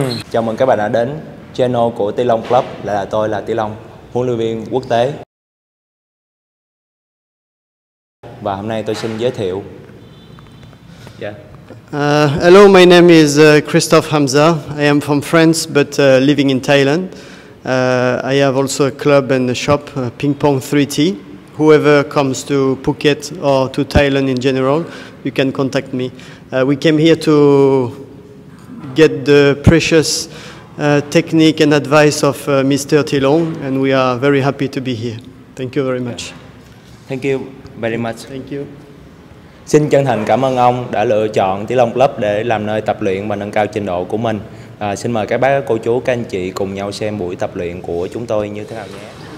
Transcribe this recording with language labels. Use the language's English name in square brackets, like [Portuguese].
[Vietnamese] Chào mừng các bạn đã đến channel của Tý Long Club. Là tôi là Tý Long, huấn luyện viên quốc tế. Và hôm nay tôi xin giới thiệu. [English] Hello, my name is Christophe Hamza. I am from France but living in Thailand. I have also a club and a shop, Ping Pong 3T. Whoever comes to Phuket or to Thailand in general, you can contact me. We came here to get the precious technique and advice of Mr. Tý Long, and we are very happy to be here. Thank you very much. Thank you very much. Thank you. [Vietnamese] Xin chân thành cảm ơn ông đã lựa chọn Tý Long Club để làm nơi tập luyện và nâng cao trình độ của mình. Xin mời các bác, cô chú, các anh chị cùng nhau xem buổi tập luyện của chúng tôi như thế nào nhé.